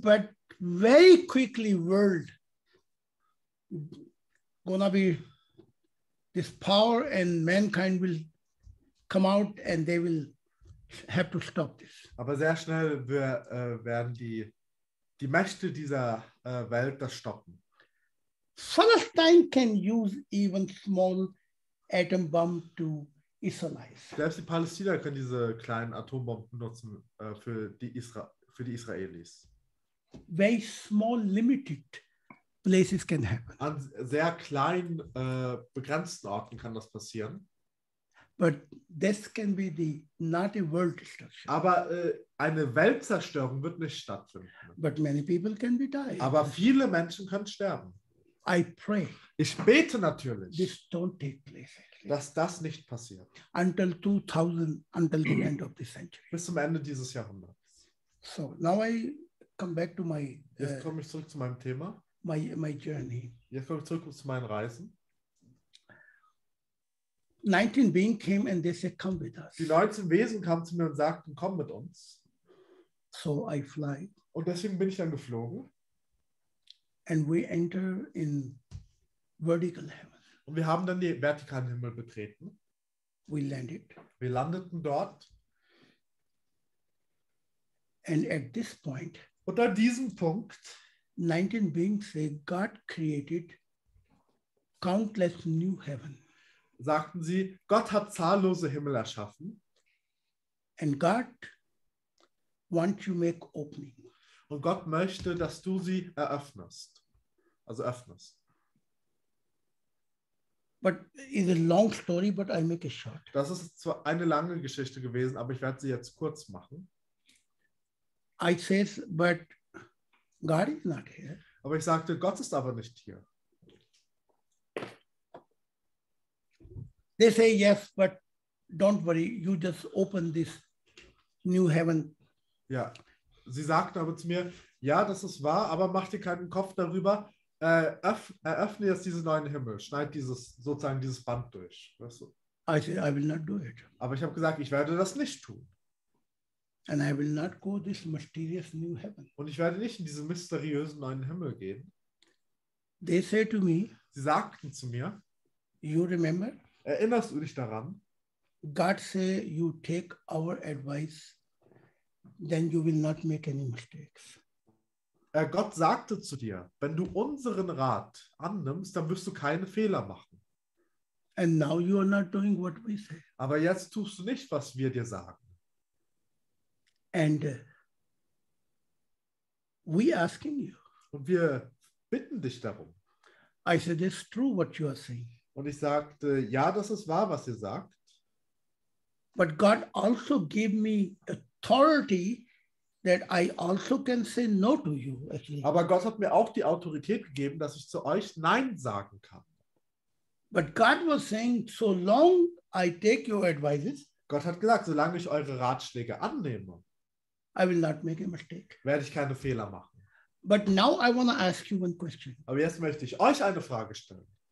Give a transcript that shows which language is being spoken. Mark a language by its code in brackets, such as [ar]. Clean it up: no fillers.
[en] But very quickly, world gonna be this power and mankind will come out and they will have to stop this. [de] Aber sehr schnell werden die Mächte dieser Welt das stoppen. [en] Palestine can use even small atom bomb to Israelis. [de] Selbst die Palästina können diese kleinen Atombomben nutzen für die Israelis. [en] Very small, limited places can happen. [de] An sehr kleinen, begrenzten Orten kann das passieren. [en] But this can be the not a world destruction. [de] Aber eine Weltzerstörung wird nicht stattfinden. [en] But many people can be die. [de] Aber viele Menschen können sterben. [en] I pray. [de] Ich bete natürlich. [en] This don't take place. [de] Dass das nicht passiert. [en] Until 2000, until the end of the century. [de] Bis zum Ende dieses Jahrhunderts. [en] So, now I come back to my. [de] Jetzt komme ich zurück zu meinem Thema. [en] My journey. [de] Jetzt komme ich zurück zu meinen Reisen. [en] 19 beings came and they said, come with us. [de] Die 19 Wesen kamen zu mir und sagten, komm mit uns. [en] So I fly. [de] Und deswegen bin ich dann geflogen. [en] And we enter in vertical heaven. [de] Und wir haben dann den vertikalen Himmel betreten. [en] We landed. [de] Wir landeten dort. [en] And at this point, [de] und an diesem Punkt, [en] 19 beings say, God created countless new heaven. [de] Sagten sie, Gott hat zahllose Himmel erschaffen. [en] And God wants you make opening. [de] Und Gott möchte, dass du sie eröffnest. Also öffnest. [en] But it's a long story, but I make it short. [de] Das ist zwar eine lange Geschichte gewesen, aber ich werde sie jetzt kurz machen. [en] I says, but God is not here. [de] Aber ich sagte, Gott ist aber nicht hier. [en] They say yes, but don't worry, you just open this new heaven [de] Ja, sie sagt aber zu mir, ja, das ist wahr, aber mach dir keinen Kopf darüber. Eröffne jetzt diesen neuen Himmel, schneid dieses, sozusagen dieses Band durch. Weißt du? [en] I say, I will not do it. [de] Aber ich habe gesagt, ich werde das nicht tun. [en] And I will not go this mysterious new heaven. [de] Und ich werde nicht in diesen mysteriösen neuen Himmel gehen. [en] They say to me, [de] sie sagten zu mir, [en] you remember? [de] Erinnerst du dich daran? [en] God say you take our advice, then you will not make any mistakes. [de] Gott sagte zu dir, wenn du unseren Rat annimmst, dann wirst du keine Fehler machen. [en] And now you are not doing what we say. [de] Aber jetzt tust du nicht, was wir dir sagen. [en] And we asking you. [de] Und wir bitten dich darum. [en] I said it's true what you are saying. [de] Und ich sagte, ja, das ist wahr, was ihr sagt. [en] But God also gave me authority that I also can say no to you. Actually. [de] Aber Gott hat mir auch die Autorität gegeben, dass ich zu euch Nein sagen kann. [en] But God was saying, so long I take your advices. [de] Gott hat gesagt, solange ich eure Ratschläge annehme, [en] I will not make a mistake. [de] Werde ich keine Fehler machen. [en] But now I want to ask you one question. [de] Aber jetzt möchte ich euch eine Frage stellen.